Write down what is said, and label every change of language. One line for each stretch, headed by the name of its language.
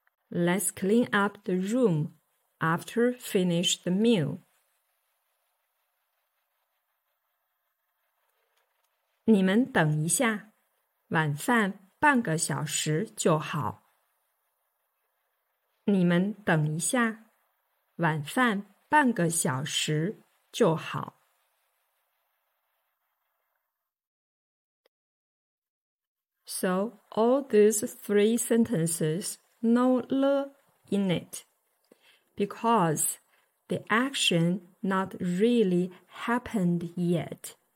English: Let's clean up the room after finish the meal.
Chinese: 你们等一下，晚饭半个小时就好。你们等一下，晚饭半个小时就好。
English: So, all these three sentences, no le in it, because the action not really happened yet.